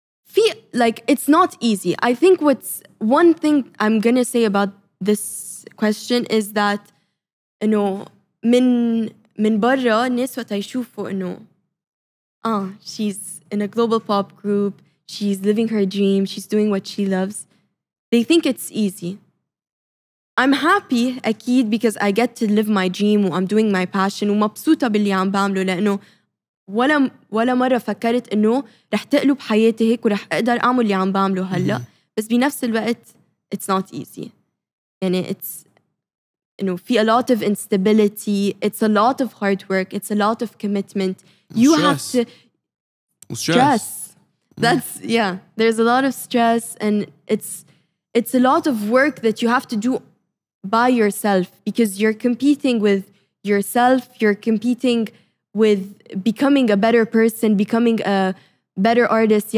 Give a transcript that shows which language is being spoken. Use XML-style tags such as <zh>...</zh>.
<en>في, like, it's not easy. I think what's one thing I'm gonna say about this question is that, you know,</en> <ar>من برا الناس وقت يشوفوا إنه</ar> <en>she's in a global pop group, she's living her dream, she's doing what she loves, they think it's easy. I'm happy,</en> <ar>أكيد,</ar> <en>because I get to live my dream and I'm doing my passion</en> <ar>ومبسوطة باللي عم بعمله لأنه ولا مرة فكرت إنه رح تقلب حياتي هيك ورح أقدر أعمل اللي عم بعمله هلأ. بس بنفس الوقت</ar> <en>it's not easy. يعني it's, you know, في a lot of instability, it's a lot of hard work, it's a lot of commitment. You stress. Have to stress. That's, yeah, there's a lot of stress and it's a lot of work that you have to do by yourself because you're competing with yourself, you're competing with becoming a better person, becoming a better artist.</en>